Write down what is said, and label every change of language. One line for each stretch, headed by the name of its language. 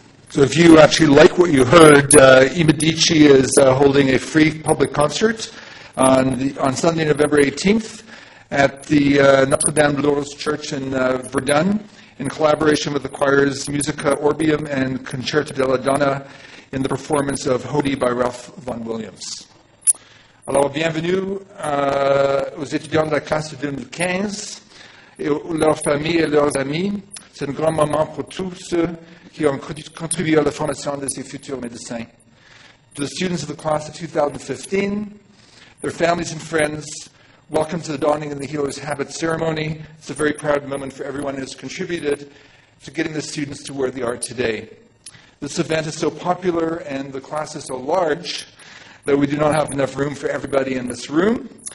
English: So if you actually like what you heard, I Medici is holding a free public concert on Sunday, November 18th at the Notre-Dame de Lourdes Church in Verdun, in collaboration with the choirs Musica Orbium and Concerto della Donna, in the performance of Hodi by Ralph Vaughan Williams.
French: Alors, bienvenue aux étudiants de la classe 2015, et leurs familles et leurs amis. C'est un grand moment pour tous ceux qui ont contribué à la formation de ces futurs médecins.
English: To the students of the class of 2015, their families and friends, welcome to the Donning of the Healer's Habit ceremony. It's a very proud moment for everyone who has contributed to getting the students to where they are today. This event is so popular and the class is so large that we do not have enough room for everybody in this room.